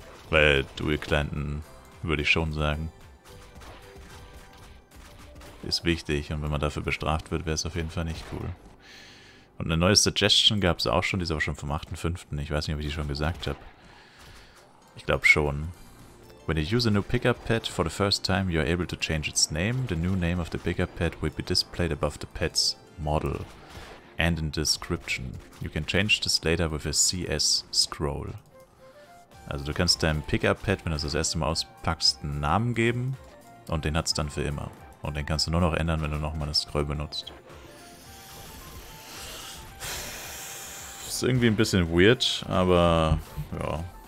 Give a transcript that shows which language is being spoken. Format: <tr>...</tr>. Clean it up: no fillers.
<de>Weil Dual-Clienten, würde ich schon sagen, ist wichtig. Und wenn man dafür bestraft wird, wäre es auf jeden Fall nicht cool. Und eine neue Suggestion gab es auch schon. Die ist aber schon vom 8.5. Ich weiß nicht, ob ich die schon gesagt habe. Ich glaube schon.</de> <en>When you use a new pickup pad for the first time, you are able to change its name. The new name of the pickup pad will be displayed above the pad's model and in description. You can change this later with a CS scroll.</en> <de>Also du kannst deinem pickup pad, wenn du es das erste Mal auspackst, einen Namen geben und den hat es dann für immer. Und den kannst du nur noch ändern, wenn du nochmal eine Scroll benutzt. Ist irgendwie ein bisschen weird, aber ja.</de>